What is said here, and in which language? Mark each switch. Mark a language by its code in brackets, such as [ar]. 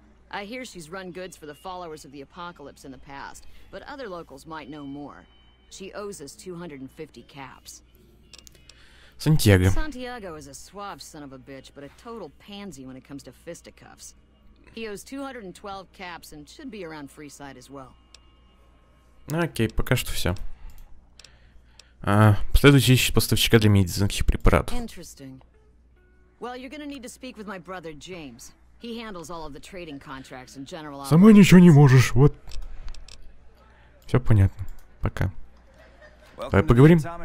[en] I hear she's run goods for the followers of the apocalypse in the past, but other locals might know more. She owes us 250 caps. Santiago. Santiago is a suave son of a bitch, but a total pansy when it comes to fisticuffs. He owes 212 caps and should be around Freeside as well. [ru] Окей, пока что все. Последующий ищет поставщика для медицинских препаратов. [en] Interesting. Well, you're gonna need to speak with my brother James. He handles all of the trading contracts and general operations. [ru] Сама ничего не можешь, вот. Все понятно. Пока. Давай поговорим.